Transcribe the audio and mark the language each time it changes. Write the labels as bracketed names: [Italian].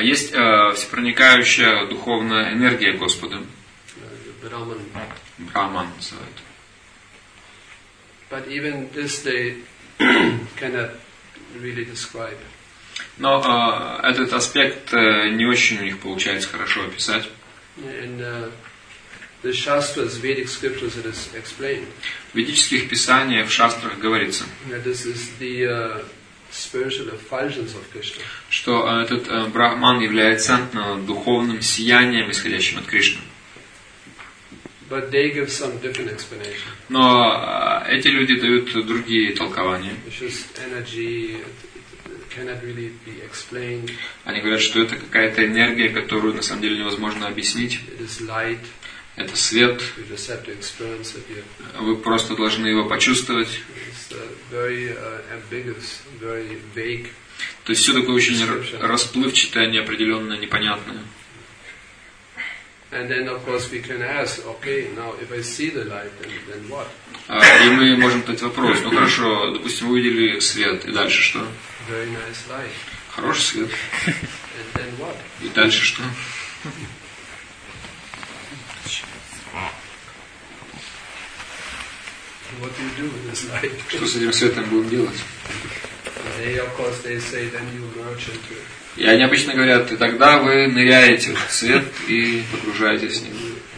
[Russian] Есть всепроникающая духовная энергия Господа. [English] Brahman. [Russian] Brahman называют. [English] But even this they cannot really describe. [Russian] Но этот аспект не очень у них получается хорошо описать. [English] In the Shastras, Vedic scriptures, it is explained. [Russian] В ведических писаниях, в шастрах говорится. [English] This is the spiritual effulgence of Krishna. [Russian] Что этот Брахман является духовным сиянием, исходящим от Кришны. [English] But they give some different explanation. [Russian] Но эти люди дают другие толкования. [English] It's just energy. Cannot really be explained. [Russian] Они говорят, что это какая-то энергия, которую на самом деле невозможно объяснить. [English] It is light. [Russian] Это свет. [English] You just have to experience it. [Russian] Вы просто должны его почувствовать. [English] It's very ambiguous, very vague. [Russian] То есть все такое очень расплывчатое, неопределенное, непонятное. [English] And then, of course, we can ask, okay, now if I see the light, then what? [Russian] И мы можем задать вопрос: ну хорошо, допустим, увидели свет, и дальше что? [English] Very nice light. [Russian] Хороший свет. [English] And then what? [Russian] И дальше что? [English] What do you do with this light? [Russian] Что с этим светом будем делать? [English] They, of course, they say, then you merge into it. [Russian] И они обычно говорят, и тогда вы ныряете в свет и погружаетесь в ним.